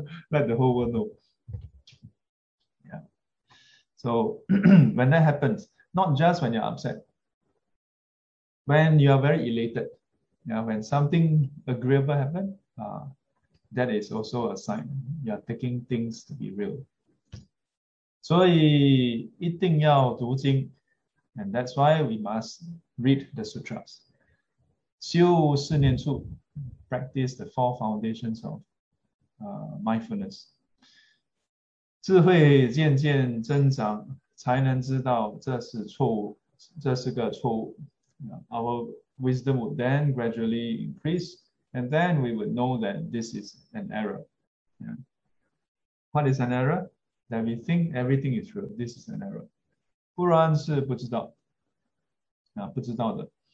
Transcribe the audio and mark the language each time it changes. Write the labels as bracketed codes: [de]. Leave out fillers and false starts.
[en] Let the whole world So when that happens, not just when you're upset, when you are very elated, yeah, when something agreeable happen, that is also a sign you are taking things to be real. [zh] 所以一定要读经, [en] and that's why we must read the sutras. [zh] 修四念处 [en] practice the four foundations of mindfulness. [zh] 智慧渐渐增长，才能知道这是错误，这是个错误。 [en] Our wisdom would then gradually increase, and then we would know that this is an error. Yeah. What is an error? That we think everything is true. This is an error. [zh] 不然是不知道。不知道的。